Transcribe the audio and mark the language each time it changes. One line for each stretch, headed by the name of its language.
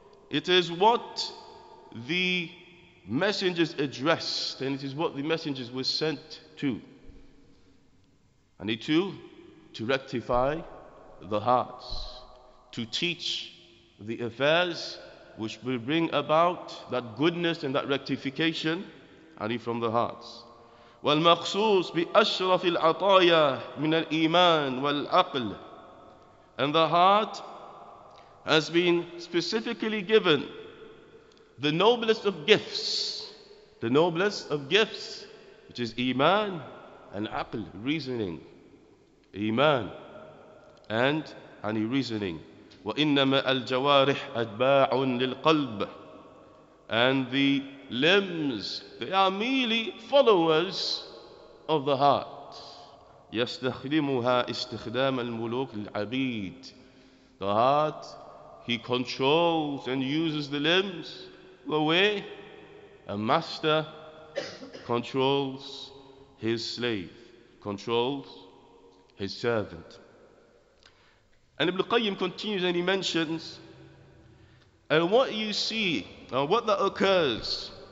English: It is what the messengers addressed, and it is what the messengers were sent to. To rectify the hearts, to teach the affairs which will bring about that goodness and that rectification from the hearts.
Arabic: والمخصوص بأشرف العطايا من الإيمان والعقل.
English: And the heart has been specifically given the noblest of gifts, the noblest of gifts, which is Iman and Aql, reasoning. Iman and any reasoning.
Arabic: وإنما الجوارح أتباع للقلب.
English: And the limbs, they are merely followers of the heart.
Arabic: يستخدمها استخدام الملوك للعبيد.
English: The heart, he controls and uses the limbs the way a master controls his slave, controls his servant. And Ibn Qayyim continues and he mentions, and what you see, and what that occurs